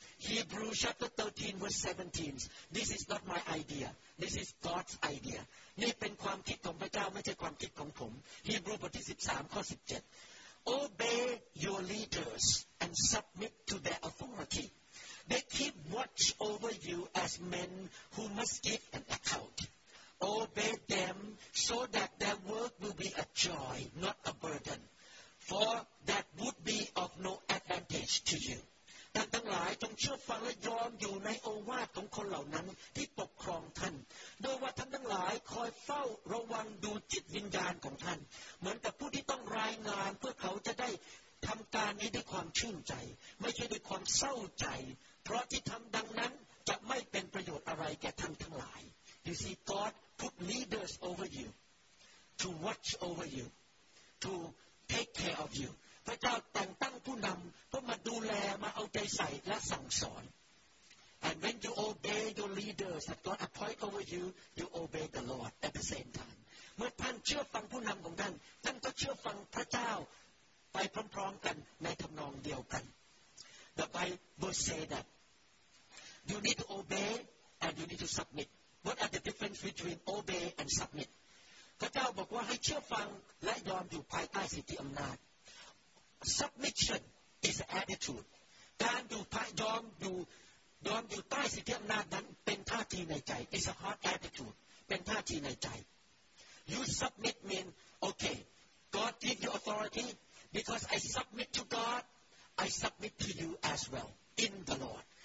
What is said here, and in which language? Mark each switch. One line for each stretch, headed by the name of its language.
English: Hebrew chapter 13 verse 17 This is not my idea This is God's idea
Thai: นี่เป็นความคิดของพระเจ้าไม่ใช่ความคิดของผม
English: Hebrew
Thai: บทที่13ข้อ17
English: Obey your leaders and submit to their authority They keep watch over you as men who must give an accountObey them so that their work will be a joy, not a burden. For that would be of no advantage to you.
Thai: ท่านทั้งหลายจงเชื่อฟังและยอมอยู่ในโอวาทของคนเหล่านั้นที่ปกครองท่านโดยว่าท่านทั้งหลายคอยเฝ้าระวังดูจิตวิญญาณของท่านเหมือนกับผู้ที่ต้องรายงานเพื่อเขาจะได้ทำการนี้ด้วยความชื่นใจไม่ใช่ด้วยความเศร้าใจเพราะที่ทำดังนั้นจะไม่เป็นประโยชน์อะไรแก่ท่านทั้งหลาย
English: You see, God put leaders over you to watch over you, to take care of you.
Thai: พระเจ้าแต่งตั้งผู้นำเพื่อมาดูแลมาเอาใจใส่และสั่งสอน
English: And when you obey your leaders that God appoint over you, you obey the Lord at the same time.
Thai: เมื่อท่านเชื่อฟังผู้นำของท่านท่านก็เชื่อฟังพระเจ้าไปพร้อมๆกันในทำนองเดียวกัน
English: The Bible say that you need to obey and you need to submit. What are the difference between obey and submit?
Thai: พระเจ้าบอกว่าให้เชื่อฟังและยอมอยู่ภายใต้สิทธิอำนาจ
English: Submission is an attitude.
Thai: การอยู่ภายยอมอยู่ใต้สิทธิอำนาจนั้นเป็นท่าทีในใจ
English: It's a heart attitude.
Thai: เป็นท่าทีในใจ
English: You submit mean, okay, God give you authority because I submit to God, I submit to you as well in the Lord.